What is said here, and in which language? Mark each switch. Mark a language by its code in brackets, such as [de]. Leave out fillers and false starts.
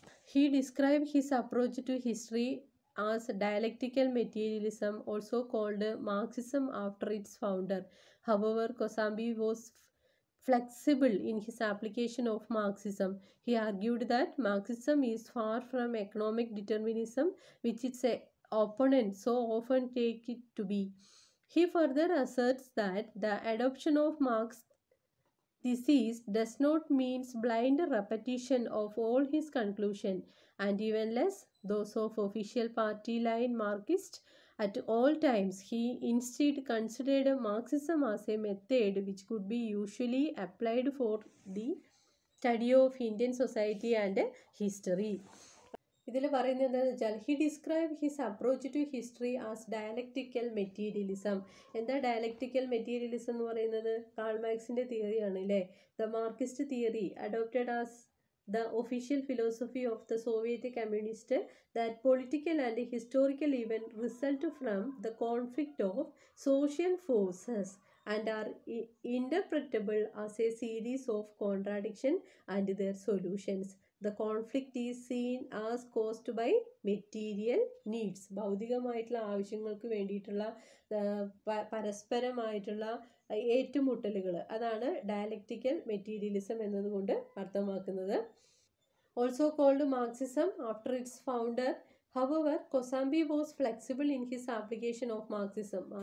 [en] He describe his approach to history as dialectical materialism, also called Marxism after its founder. However, Kosambi was flexible in his application of Marxism. He argued that Marxism is far from economic determinism which its a opponent so often take it to be. He further asserts that the adoption of Marx disease does not mean blind repetition of all his conclusion, and even less those of official party line Marxist. At all times he instead considered Marxism as a method which could be usually applied for the study of Indian society and history. [ml] ഇതിൽ പറയുന്നത് എന്താണെന്ന് വെച്ചാൽ, [en] He describe his approach to history as dialectical materialism. [ml] എന്താ dialectical materialism എന്ന് പറയുന്നത്? കാൾമാക്സിൻ്റെ തിയറിയാണ് അല്ലേ. [en] The Marxist theory adopted as the official philosophy of the Soviet communist that political and historical event result from the conflict of social forces and are interpretable as a series of contradiction and their solutions. The conflict is seen as caused by material needs. [ml] ഭൗതികമായിട്ടുള്ള ആവശ്യങ്ങൾക്ക് വേണ്ടിയിട്ടുള്ള പരസ്പരമായിട്ടുള്ള ഏറ്റുമുട്ടലുകൾ, അതാണ് dialectical materialism എന്നതുകൊണ്ട് അർത്ഥമാക്കുന്നത്. [en] Also called Marxism after its founder. However, Kosambi was flexible in his application of Marxism.